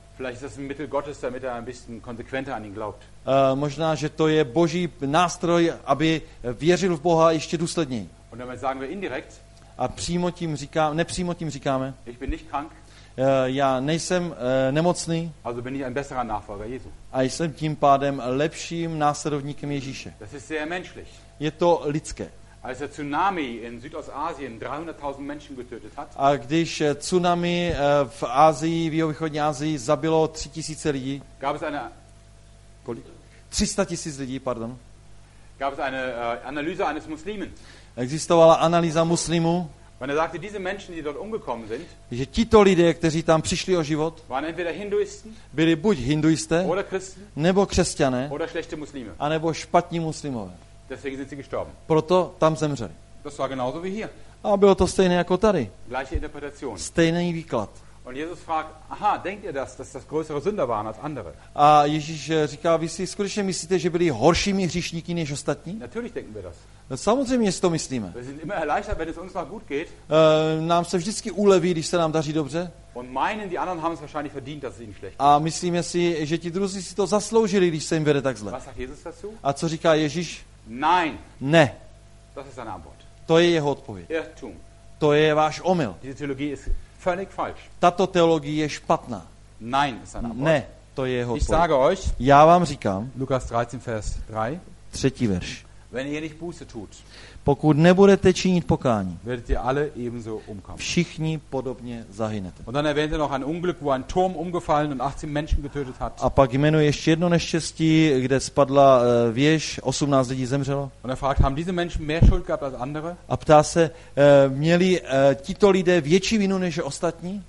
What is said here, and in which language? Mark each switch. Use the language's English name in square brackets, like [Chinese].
[German] Vielleicht ist das ein Mittel Gottes, damit er ein bisschen konsequenter an ihn glaubt. [Czech] Možná, že to je Boží nástroj, aby věřil v Boha ještě důsledněji. [German] Und damit sagen wir indirekt, [Czech] a přímo tím říkáme, nepřímo tím říkáme, [German] ich bin nicht krank, [Czech] já nejsem nemocný. [German] Also bin ich ein besserer Nachfolger Jesu. [Czech] A jsem tím pádem lepším následovníkem Ježíše. [German] Das ist sehr menschlich. [Czech] Je to lidské. [German] Als der Tsunami in Südostasien 300.000 Menschen getötet hat. [Czech] A když tsunami v Asii, v jihovýchodní Asii zabilo 3000 lidí. [German] Gab es eine [Czech] kolik? 300.000 lidí, pardon. [German] Gab es eine Analyse eines Muslimen. [Czech] Existovala analýza muslimů. [German] Wenn er sagte, diese Menschen, die dort umgekommen sind, [Czech] že tito lidé, kteří tam přišli o život, [German] waren entweder Hinduisten, [Czech] byli buď hinduisté, [German] oder Christen, [Czech] nebo křesťané, [German] oder schlechte Muslime, [Czech] anebo špatní muslimové. [German] Deswegen sind sie gestorben. [Czech] Proto tam zemřeli. [German] Das war genauso wie hier. [Czech] A bylo to stejné jako tady. [German] Gleiche Interpretation. [Czech] Stejný výklad. [German] Und Jesus fragt, aha, denkt ihr das, dass das größere Sünder waren als andere? [Czech] A Ježíš říká, vy si skutečně myslíte, že byli horšími hříšníky než ostatní? [German] Natürlich denken wir das. [Czech] Samozřejmě si to myslíme. [German] Wir sind immer erleichtert, wenn es uns noch gut geht. [Czech] Nám se vždycky uleví, když se nám daří dobře. [German] Und meinen, die anderen haben es wahrscheinlich verdient, dass es ihnen schlecht geht. [Czech] A myslíme si, že ti druzí si to zasloužili, když se jim vede tak zle. [German] Was sagt Jesus dazu? [Czech] A co říká Ježíš? [German] Nein. [Czech] Ne. [German] Das ist seine Antwort. [Czech] To je jeho odpověď. [German] Irrtum. [Czech] To je váš omyl. [German] Diese Theologie ist völlig falsch. [Czech] Tato teologie je špatná. [German] Nein, ist seine Antwort. [Czech] Ne, to je jeho odpověď. [German] Ich sage euch, [Czech] já vám říkám, [German] Lukas 13, Vers 3, [Czech] třetí verš. [German] Wenn ihr nicht Buße tut, [Czech] pokud nebudete činit pokání, [German] werdet ihr alle ebenso umkommen. [Czech] Všichni podobně zahynete. [German] Und dann erwähnt er noch ein Unglück, wo ein Turm umgefallen und 18 Menschen getötet hat. [Czech] A pak jmenuje ještě jedno neštěstí, kde spadla věž, 18 lidí zemřelo. [German] Und er fragt, haben diese Menschen mehr Schuld gehabt als andere? [Czech] A ptá se, měli tito lidé větší vinu než ostatní?